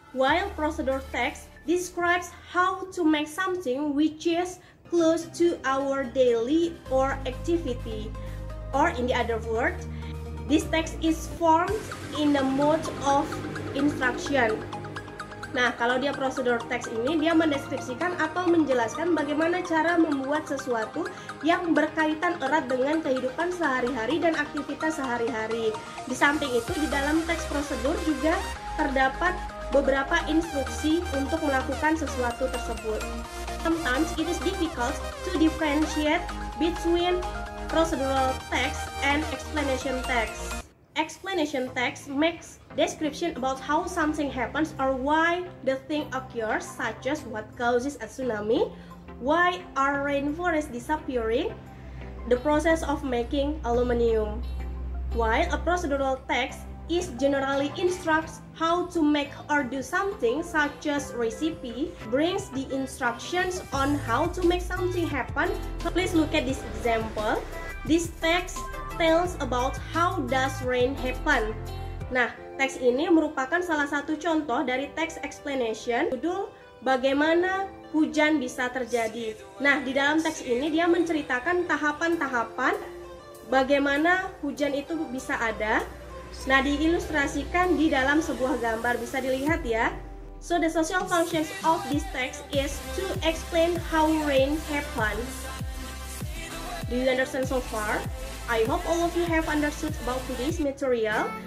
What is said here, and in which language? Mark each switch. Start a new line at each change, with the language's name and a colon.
English: While procedure text describes how to make something which is close to our daily or activity, or in the other word, this text is formed in the mode of instruction.
Indonesian: Nah, kalau dia procedure text ini, dia mendeskripsikan atau menjelaskan bagaimana cara membuat sesuatu yang berkaitan erat dengan kehidupan sehari-hari dan aktivitas sehari-hari. Di samping itu, di dalam teks prosedur juga terdapat beberapa instruksi untuk melakukan sesuatu tersebut.
English: Sometimes it is difficult to differentiate between procedural text and explanation text. Explanation text makes description about how something happens or why the thing occurs, such as what causes a tsunami, why our rainforest disappearing, the process of making aluminium. While a procedural text is generally instructs how to make or do something, such as recipe, brings the instructions on how to make something happen. Please look at this example. This text tells about how does rain happen.
Indonesian: Nah, teks ini merupakan salah satu contoh dari teks explanation judul bagaimana hujan bisa terjadi. Nah, di dalam teks ini dia menceritakan tahapan-tahapan bagaimana hujan itu bisa ada. Nah, diilustrasikan di dalam sebuah gambar, bisa dilihat ya.
English: So the social function of this text is to explain how rain happens. Do you understand so far? I hope all of you have understood about today's material.